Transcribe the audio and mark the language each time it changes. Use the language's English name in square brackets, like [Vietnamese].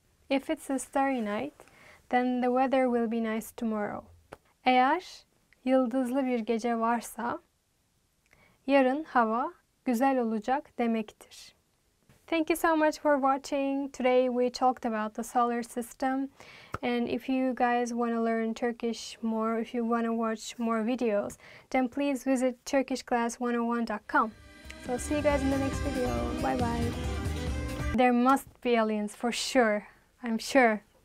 [English] If it's a starry night, then the weather will be nice tomorrow. [Turkish] Eğer yıldızlı bir gece varsa, yarın hava güzel olacak demektir. [English] Thank you so much for watching. Today we talked about the solar system. And if you guys want to learn Turkish more, if you want to watch more videos, then please visit turkishclass101.com. So see you guys in the next video. Bye-bye. There must be aliens for sure. I'm sure.